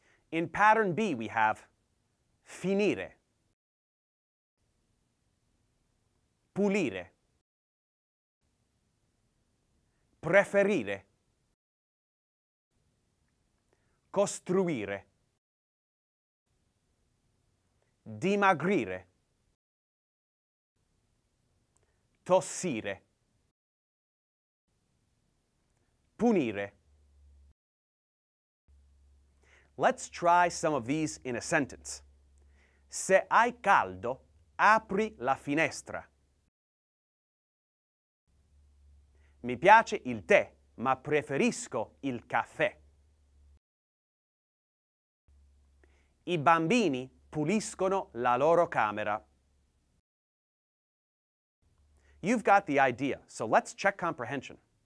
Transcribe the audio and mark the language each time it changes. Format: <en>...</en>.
<en>In pattern B, we have finire, pulire, preferire, costruire, dimagrire, tossire, punire. Let's try some of these in a sentence.</en> <it>Se hai caldo, apri la finestra. Mi piace il tè, ma preferisco il caffè. I bambini puliscono la loro camera.</it> <en>You've got the idea, so let's check comprehension.</en>